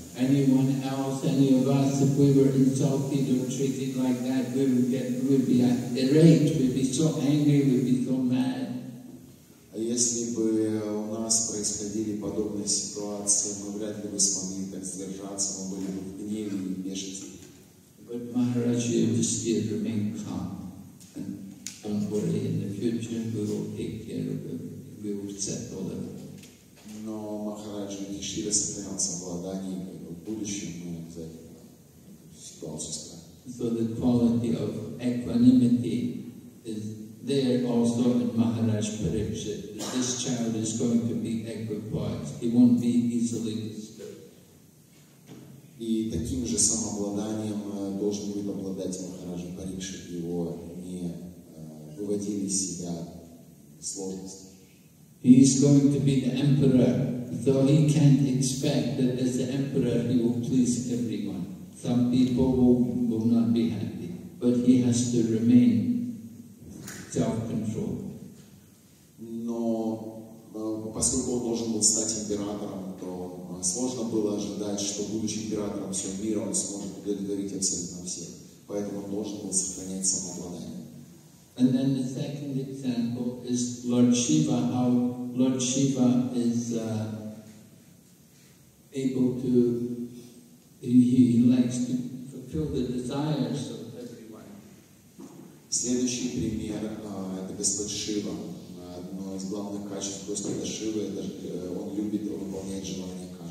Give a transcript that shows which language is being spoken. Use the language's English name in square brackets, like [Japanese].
[English] Anyone else, any of us, if we were insulted or treated like that, we would get, we'd be irate, we'd be so angry, we'd be so mad. [Russian] А если бы у нас происходили подобные ситуации, мы вряд ли бы смогли так сдержаться, мы были бы в гневе и бешенстве. [English] But Maharaj Yudhisthira remained calm and don't worry, in the future we will take care of it, we will settle it. [Russian] No, Maharaj Yudhisthira сохранял самообладание, как в будущем мы обязательно. [English] So the quality of equanimity is there also in Maharaj Parikshit. This child is going to be equipoised, he won't be easily disturbed. [Russian] И таким же самообладанием должен будет обладать Махараджа Парикшит, его не выводили из себя сложности. [English] He is going to be the emperor, so he can't expect that as the emperor he will please everyone. Some people will not be happy, but he has to remain self-controlled. [Russian] Но поскольку он должен был стать императором, то сложно было ожидать, что будучи императором всего мира, он сможет удовлетворить абсолютно всех. Поэтому он должен был сохранять самообладание. [English] And then the second example is Lord Shiva, how Lord Shiva is able to, he likes to fulfill the desires of everyone. [Russian] Следующий пример это Господь Шива. Одно из главных качеств Господа Шивы, он любит выполнять желания.